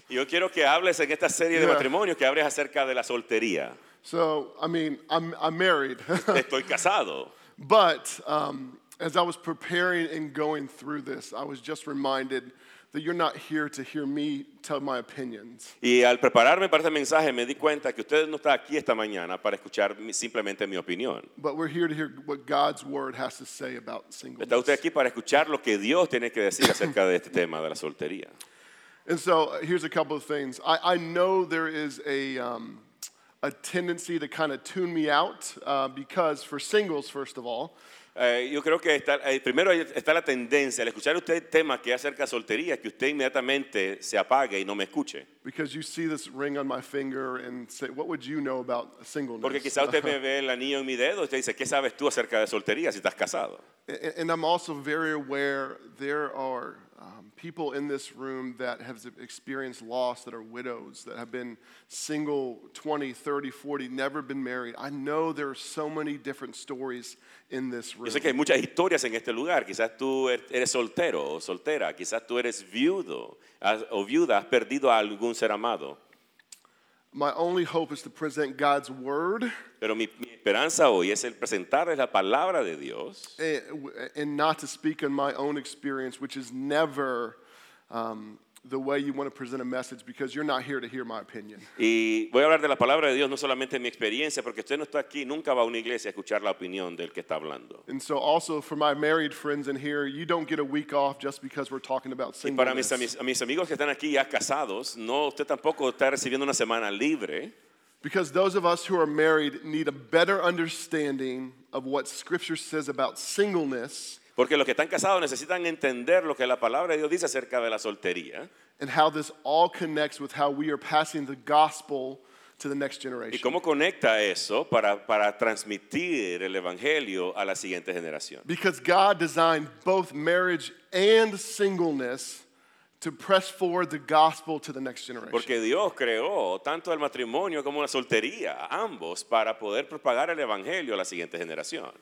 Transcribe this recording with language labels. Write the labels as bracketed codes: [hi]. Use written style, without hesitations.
[es] Yo quiero que hables en esta serie de matrimonio que hables acerca de la soltería. [en] So, I mean, I'm married. [es] Estoy casado. [en] But as I was preparing and going through this, I was just reminded that you're not here to hear me tell my opinions. [es] Y al prepararme para este mensaje, me di cuenta que usted no está aquí esta mañana para escuchar simplemente mi opinión. [en] But we're here to hear what God's word has to say about singleness. [es] Está usted aquí para escuchar lo que Dios tiene que decir acerca de este tema de la soltería. [en] And so here's a couple of things. I know there is a tendency to kind of tune me out because for singles, first of all. [es] Yo creo que primero está la tendencia al escuchar usted temas que acerca soltería que usted inmediatamente se apague y no me escuche. [en] Because you see this ring on my finger and say, what would you know about singleness? [es] Porque quizá usted me ve el anillo en mi dedo y usted dice, ¿qué sabes tú acerca de soltería si estás casado? [en] And I'm also very aware there are people in this room that have experienced loss, that are widows, that have been single 20, 30, 40, never been married. I know there are so many different stories in this room. [es] Yo sé que hay muchas historias en este lugar. Quizás tú eres soltero o soltera. Quizás tú eres viudo o viuda. Has perdido a algún ser amado. [en] My only hope is to present God's word. [es] Pero mi esperanza hoy es el presentarles la palabra de Dios. [en] And not to speak in my own experience, which is never the way you want to present a message, because you're not here to hear my opinion. [es] Y voy a hablar de la palabra de Dios no solamente en mi experiencia, porque usted no está aquí, nunca va a una iglesia a escuchar la opinión del que está hablando. [en] And so also for my married friends in here, you don't get a week off just because we're talking about singleness. [es] Y para mis amigos que están aquí ya casados, no, usted tampoco está recibiendo una semana libre. [en] Because those of us who are married need a better understanding of what Scripture says about singleness. [es] Porque los que están casados necesitan entender lo que la palabra de Dios dice acerca de la soltería. [en] And how this all connects with how we are passing the gospel to the next generation. [es] Y cómo conecta eso para transmitir el evangelio a la siguiente generación. [en] Because God designed both marriage and singleness to press forward the gospel to the next generation. [es] Porque Dios creó tanto el matrimonio como la soltería, ambos, para poder propagar el evangelio a la siguiente generación.